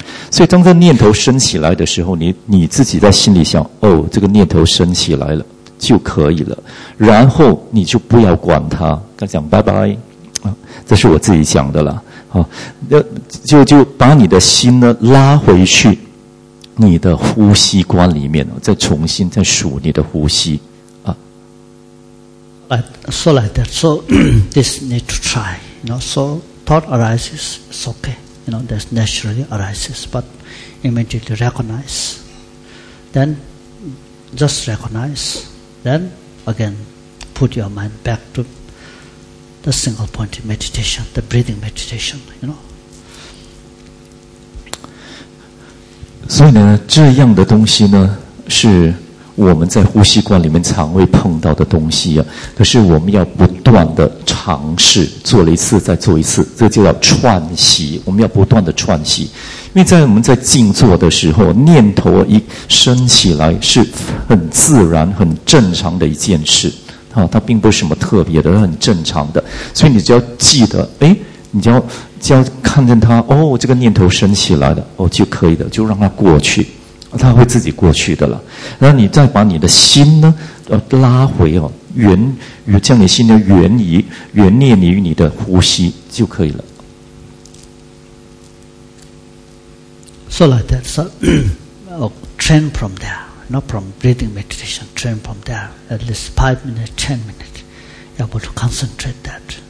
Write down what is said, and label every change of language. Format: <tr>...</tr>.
<zh>所以当这念头升起来的时候，你自己在心里想哦，这个念头升起来了就可以了，然后你就不要管它，跟他讲拜拜，这是我自己讲的了，哦，就把你的心呢拉回去你的呼吸观里面，再重新再数你的呼吸啊。</zh> <en>So like that, so this need to try, you know, so thought arises, it's okay. You know, that naturally arises, but immediately recognize. Then, just recognize. Then, again, put your mind back to the single point meditation, the breathing meditation, you know.</en> <zh>所以呢，这样的东西呢，是我们在呼吸观里面常会碰到的东西啊。可是我们要不断的尝试，做了一次再做一次，这就叫串习。我们要不断的串习，因为在我们在静坐的时候，念头一升起来是很自然、很正常的一件事啊，它并不是什么特别的，很正常的。所以你就要记得，哎，你就要看见它，哦，这个念头升起来了，哦，就可以的，就让它过去。它会自己过去的了，然后你再把你的心呢，拉回哦，将你心的原念于你的呼吸就可以了。</zh> <en>So like that, so train from there, not from breathing meditation. Train from there, at least 5 minutes, 10 minutes, able to concentrate that.</en>